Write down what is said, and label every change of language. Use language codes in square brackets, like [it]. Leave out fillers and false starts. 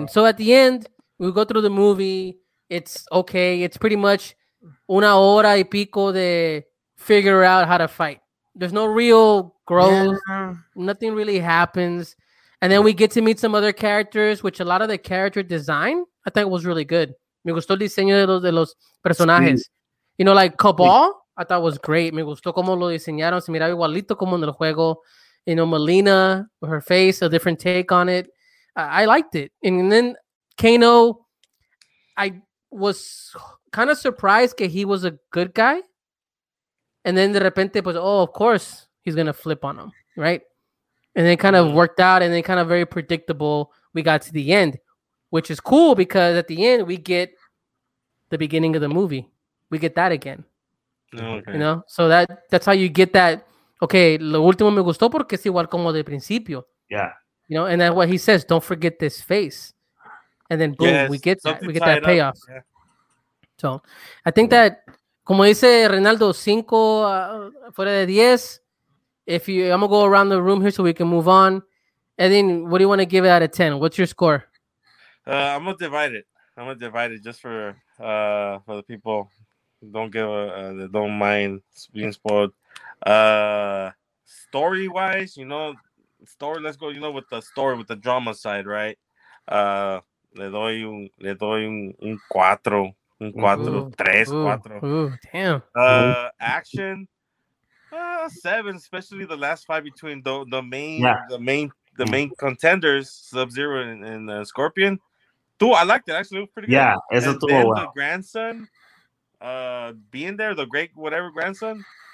[en] You know. So at the end, we go through the movie. It's okay. It's pretty much [es] una hora y pico de [en] figure out how to fight. There's no real growth. Yeah. Nothing really happens. And then we get to meet some other characters, which a lot of the character design, I think, was really good. [es] Me gustó el diseño de los personajes. [en] Sweet. You know, like Cabal, I thought was great. [es] Me gustó cómo lo diseñaron. Se miraba igualito como en el juego. [en] You know, Melina, with her face, a different take on it. I liked it. And then Kano, I was kind of surprised that he was a good guy. And then [es] de repente, pues, [en] oh, of course, he's going to flip on him, right? And it kind of worked out, and then kind of very predictable, we got to the end, which is cool because at the end, we get the beginning of the movie. We get that again. Okay. You know? So that's how you get that. [es] Okay, lo último me gustó porque es igual como de principio. [en] Yeah. You know, and then what he says, don't forget this face. And then boom, yes, we get that payoff. Yeah. So I think that, [es] como dice Reinaldo, 5 fuera de 10. [en] I'm going to go around the room here so we can move on. And then what do you want to give it out of 10? What's your score? I'm going to divide it. I'm going to divide it just for the people. Don't mind being spoiled. Story wise, you know, story. Let's go. You know, with the story, with the drama side, right? [es] Le doy un cuatro, tres, cuatro. [en] Damn. Action, 7, especially the last fight between the main contenders, Sub-Zero and Scorpion. Two, I liked it. Actually, it was pretty good. Yeah, it's a two. The grandson, being there, the great whatever grandson.